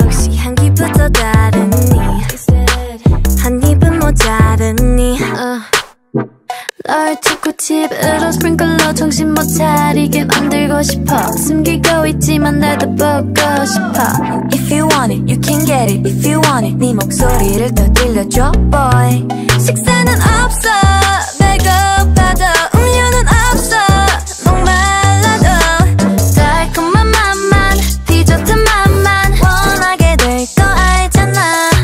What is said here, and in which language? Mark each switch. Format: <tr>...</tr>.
<ko>역시 향기부터 다르니 한 입은 모자르니. 널 초코칩으로 스프링클로 정신 못 차리게 만들고 싶어. 숨기고 있지만 날 더 보고 싶어.</ko> <en>If you want it, you can get it. If you want it,</en> <ko>네 목소리를 더 들려줘,</ko> <en>boy.</en> <ko>식사는 없어, 배고파도 음료는 없어, 목말라도 달콤한 맛만, 디저트 맛만 원하게 될 거 알잖아.</ko>